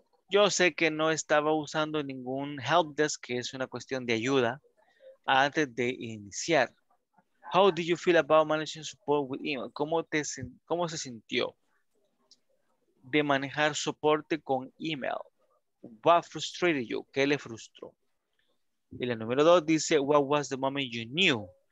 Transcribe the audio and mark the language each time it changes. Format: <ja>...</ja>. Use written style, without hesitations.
<es>Yo sé que no estaba usando ningún help desk, que es una cuestión de ayuda, antes de iniciar.</es> <en>How do you feel about managing support with email?</en> <es>¿Cómo se sintió de manejar soporte con email?</es> <en>What frustrated you?</en> <es>¿Qué le frustró? Y la número dos dice,</es> <en>what was the moment you knew?</en>